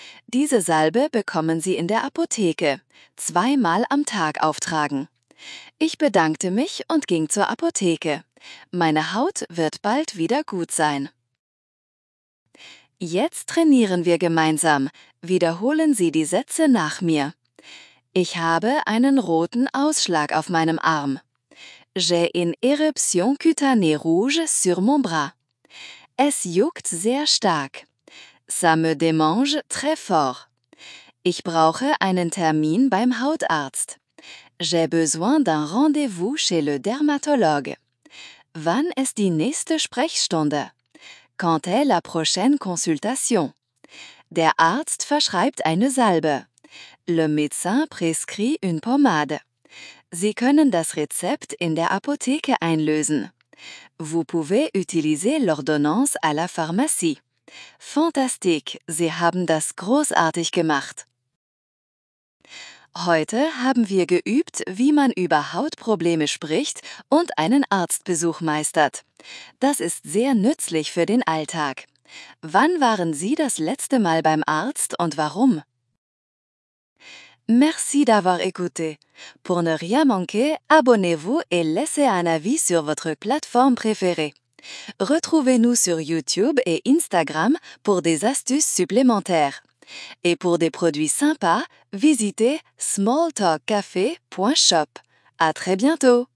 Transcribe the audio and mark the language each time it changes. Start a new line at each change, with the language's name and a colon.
German: »Diese Salbe bekommen Sie in der Apotheke, 2-mal am Tag auftragen.« Ich bedankte mich und ging zur Apotheke. Meine Haut wird bald wieder gut sein. Jetzt trainieren wir gemeinsam. Wiederholen Sie die Sätze nach mir. Ich habe einen roten Ausschlag auf meinem Arm.
French: J'ai une éruption cutanée rouge sur mon bras.
German: Es juckt sehr stark.
French: Ça me démange très fort.
German: Ich brauche einen Termin beim Hautarzt.
French: J'ai besoin d'un rendez-vous chez le dermatologue.
German: Wann ist die nächste Sprechstunde?
French: Quand est la prochaine consultation?
German: Der Arzt verschreibt eine Salbe.
French: Le médecin prescrit une pommade.
German: Sie können das Rezept in der Apotheke einlösen.
French: Vous pouvez utiliser l'ordonnance à la pharmacie.
German: Fantastique, Sie haben das großartig gemacht. Heute haben wir geübt, wie man über Hautprobleme spricht und einen Arztbesuch meistert. Das ist sehr nützlich für den Alltag. Wann waren Sie das letzte Mal beim Arzt und warum?
French: Merci d'avoir écouté. Pour ne rien manquer, abonnez-vous et laissez un avis sur votre plateforme préférée. Retrouvez-nous sur YouTube et Instagram pour des astuces supplémentaires. Et pour des produits sympas, visitez smalltalkcafe.shop. À très bientôt!